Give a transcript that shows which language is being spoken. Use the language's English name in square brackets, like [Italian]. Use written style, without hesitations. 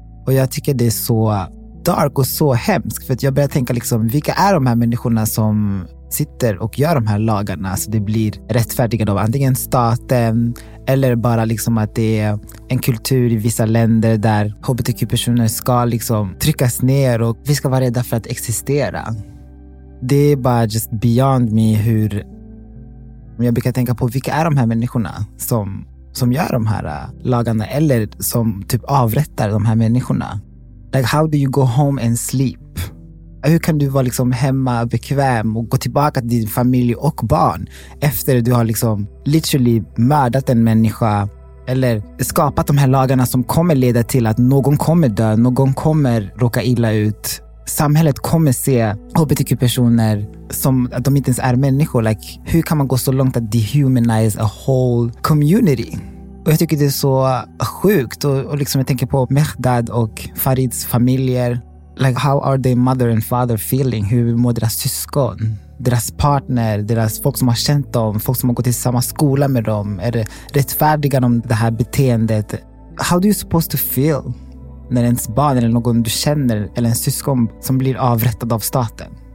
[Swedish] Och jag tycker det är så dark och så hemskt, för att jag börjar tänka liksom, vilka är de här människorna som sitter och gör de här lagarna, så det blir rättfärdigade av antingen staten eller bara liksom att det är en kultur i vissa länder där hbtq-personer ska liksom tryckas ner och vi ska vara rädda för att existera. Det är bara [English] just beyond me [Swedish] hur jag brukar tänka på, vilka är de här människorna som gör de här lagarna eller som typ avrättar de här människorna? [English] Like, how do you go home and sleep? [Swedish] Hur kan du vara liksom hemma bekväm och gå tillbaka till din familj och barn efter att du har liksom literally mördat en människa eller skapat de här lagarna som kommer leda till att någon kommer dö, någon kommer råka illa ut. Samhället kommer se hbtq-personer som att de inte ens är människor. Like, hur kan man gå så långt att [English] dehumanize a whole community? [Swedish] Och jag tycker det är så sjukt, och liksom jag tänker på Mehrdad och Farids familjer. [English] Like, how are they mother and father feeling? [Swedish] Hur mår deras syskon, deras partner, deras folk som har känt dem, folk som har gått i samma skola med dem? Är det rättfärdiga om det här beteendet? [English] How do you supposed to feel [Swedish] när ens barn eller någon du känner eller en syskon som blir avrättad av staten?